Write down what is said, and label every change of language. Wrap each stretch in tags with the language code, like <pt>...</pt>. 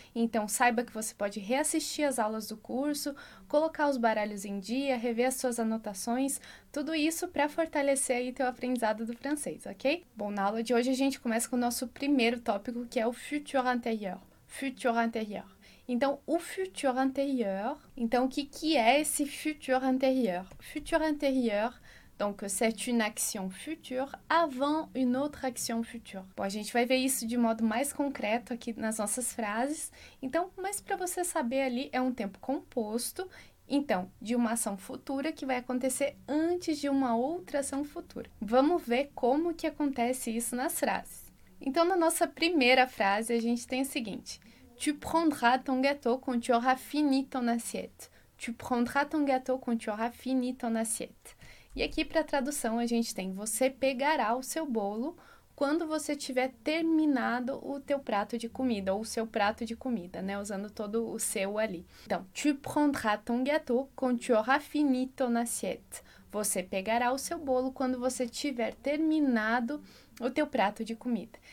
<pt>Então, saiba que você pode reassistir às aulas do curso, colocar os baralhos em dia, rever as suas anotações, tudo isso para fortalecer aí teu aprendizado do francês, ok? Bom, na aula de hoje a gente começa com o nosso primeiro tópico, que é o futur antérieur. Futur antérieur. Então, o futur antérieur. Então, o que que é esse futur antérieur?</pt> <fr>Futur antérieur. Donc, c'est une action future avant une autre action future.</fr> <pt>Bom, a gente vai ver isso de modo mais concreto aqui nas nossas frases. Então, mas para você saber ali, é um tempo composto, então, de uma ação futura que vai acontecer antes de uma outra ação futura. Vamos ver como que acontece isso nas frases. Então, na nossa primeira frase, a gente tem o seguinte:</pt> <fr>Tu prendras ton gâteau quand tu auras fini ton assiette. Tu prendras ton gâteau quand tu auras fini ton assiette.</fr> <pt>E aqui para tradução a gente tem: você pegará o seu bolo quando você tiver terminado o teu prato de comida ou o seu prato de comida, né? Usando todo o seu ali. Então,</pt> <fr>tu prendras ton gâteau quand tu auras fini ton assiette.</fr> <pt>Você pegará o seu bolo quando você tiver terminado o teu prato de comida.</pt>